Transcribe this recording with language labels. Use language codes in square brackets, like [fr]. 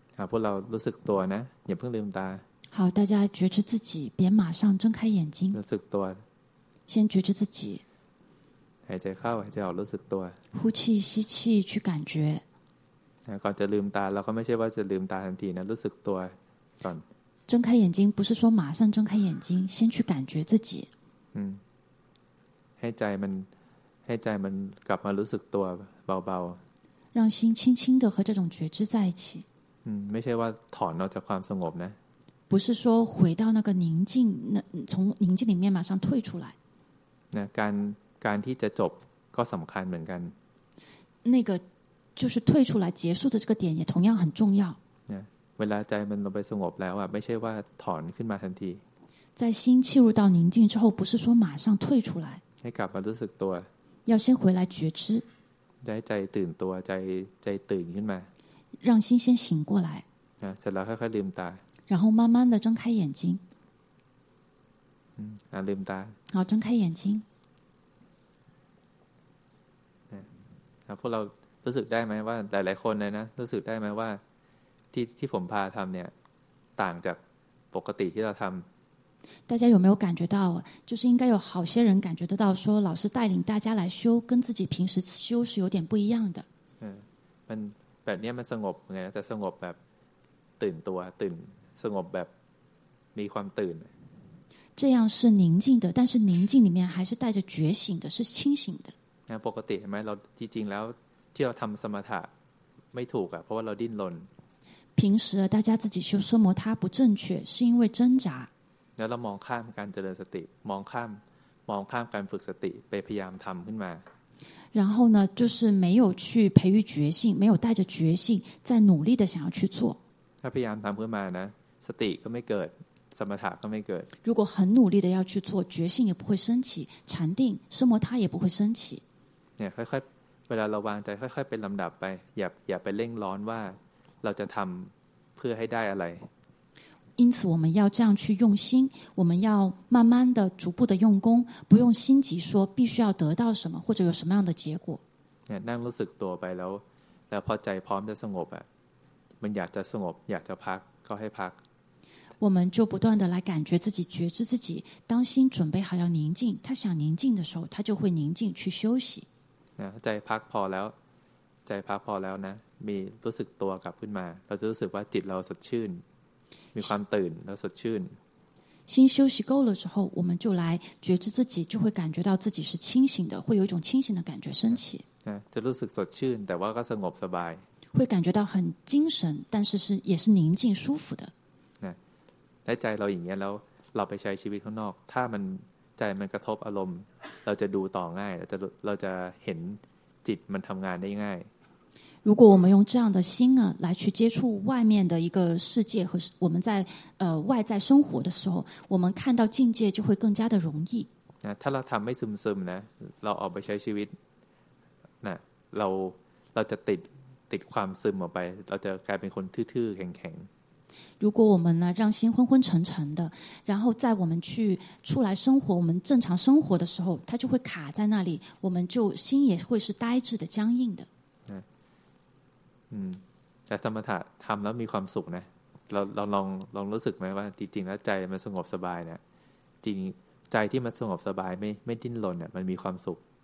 [th] พวกเรารู้สึกตัวนะอย่าเพิ่งลืมตา [zh] 好大家觉知自己别马上睁开眼睛 [th] รู้สึกตัว [zh] 先觉知自己 [th] หายใจเข้าหายใจออกรู้สึกตัว [zh] 呼气吸气去感觉 [th] ก่อนจะลืมตาเราก็ไม่ใช่ว่าจะลืมตาทันทีนะรู้สึกตัวก่อน [zh] 睁开眼睛不是说马上睁开眼睛先去感觉自己 [th] ให้ใจมันกลับมารู้สึกตัวเบา [zh] ๆ让心轻轻的和这种觉知在一起 [th] ไม่ใช่ว่าถอนออกจากความสงบนะ [zh] 不是说回到那个宁静，那从宁静里面马上退出来。 [th] 那การที่จะจบก็สำคัญเหมือนกัน。 [zh] 那个就是退出来结束的这个点也同样很重要。 [th] เวลาใจมันลงไปสงบแล้วอ่ะไม่ใช่ว่าถอนขึ้นมาทันที。 [zh] 在心切入到宁静之后，不是说马上退出来。 [th] ให้กลับมารู้สึกตัว。 [zh] 要先回来觉知。 [th] ให้ใจตื่นตัวใจตื่นขึ้นมา。 [zh] 让心先醒过来。 [th] เสร็จแล้วค่อยๆลืมตา。 [zh] 然后慢慢的睁开眼睛。 [th] ลืมตา。 [zh] 好，睁开眼睛。 [th] พวกเรารู้สึกได้ไหมว่าหลายๆคนเลยนะรู้สึกได้ไหมว่าที่ผมพาทำเนี่ยต่างจากปกติที่เราทำ [zh] 大家有没有感觉到就是应该有好些人感觉得到说老师带领大家来修跟自己平时修是有点不一样的 [th] มันแบบนี้มันสงบไงแต่สงบแบบตื่นตัวตื่นสงบแบบมีความตื่น [zh] 这样是宁静的但是宁静里面还是带着觉醒的是清醒的 [th] ปกติใช่ไหมเราจริงๆแล้วที่เราทำสมถะไม่ถูกอ่ะเพราะว่าเราดิ้นรน [zh] 平时大家自己修奢摩他不正确是因为挣扎 [th] แล้วเรามองข้ามการเจริญสติมองข้ามการฝึกสติไปพยายามทำขึ้นมา [zh] 然后呢就是没有去培育觉性没有带着觉性在努力的想要去做 [th] ถ้าพยายามทำขึ้นมานะสติก็ไม่เกิดสมถะก็ไม่เกิด [zh] 如果很努力的要去做觉性也不会升起禅定奢摩他也不会升起 [th] ค่อยๆเวลาเราวางใจค่อยๆเป็นลำดับไปอย่าไปเร่งร้อนว่าเราจะทำเพื่อให้ได้อะไร [zh] 因此我们要这样去用心我们要慢慢的逐步的用功不用心急说必须要得到什么或者有什么样的结果 [th] นั่งรู้สึกตัวไปแล้วพอใจพร้อมจะสงบมันอยากจะสงบอยากจะพักก็ให้พัก [zh] 我们就不断的来感觉自己觉知自己当心准备好要宁静他想宁静的时候他就会宁静去休息 [th] ใจพักพอแล้วใจพักพอแล้วนะมีรู้สึกตัวกลับขึ้นมาเราจะรู้สึกว่าจิตเราสดชื่นมีความตื่นแล้วสดชื่น [zh] 心休息够了之后我们就来觉知自己就会感觉到自己是清醒的会有一种清醒的感觉升起 [th] จะรู้สึกสดชื่นแต่ว่าก็สงบสบาย [zh] 会感觉到很精神但是是也是宁静舒服的 [th] ในใจเราอย่างนี้แล้วเราไปใช้ชีวิตข้างนอกถ้ามันใจมันกระทบอารมณ์เราจะดูต่อง่ายเราจะเห็นจิตมันทำงานได้ง่าย [zh] 如果我们用这样的心啊来去接触外面的一个世界和我们在外在生活的时候我们看到境界就会更加的容易 [th] ถ้าเราทำไม่ซึมนะเราออกไปใช้ชีวิตนะเราจะติดความซึมออกไปเราจะกลายเป็นคนทื่อๆแข็งๆ [zh] 如果我们呢让心昏昏沉沉的然后在我们去出来生活我们正常生活的时候它就会卡在那里我们就心也会是呆滞的僵硬的 [th] แต่สมถะทำแล้วมีความสุขนะเราลองรู้สึกไหมว่าจริงๆแล้วใจมันสงบสบายเนี่ยจริงใจที่มันสงบสบายไม่ดิ้นรนเนี่ยมันมีความสุข